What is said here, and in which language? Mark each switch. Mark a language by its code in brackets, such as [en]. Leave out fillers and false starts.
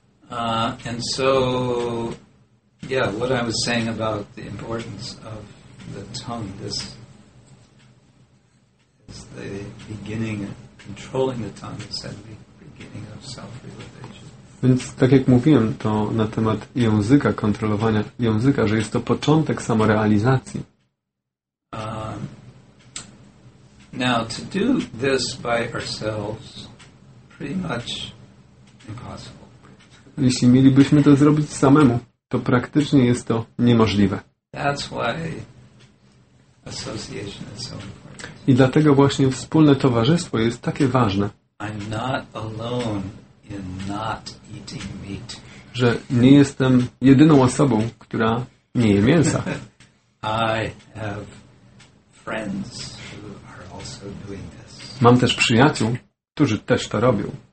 [en] And so, yeah, what I was saying about the importance of the tongue, this is the beginning of controlling the tongue, is the beginning of self-realization. [pl] Więc tak jak mówiłem, to na temat języka, kontrolowania języka, że jest to początek samorealizacji. [en] Now, to do this by ourselves, pretty much... [pl] Jeśli mielibyśmy to zrobić samemu, to praktycznie jest to niemożliwe. [en] That's why association is so important. [pl] I dlatego właśnie wspólne towarzystwo jest takie ważne. [en] I'm not alone in not eating meat. [pl] Że nie jestem jedyną osobą, która nie je mięsa. [en] I have friends who are also doing this. [pl] Mam też przyjaciół, którzy też to robią.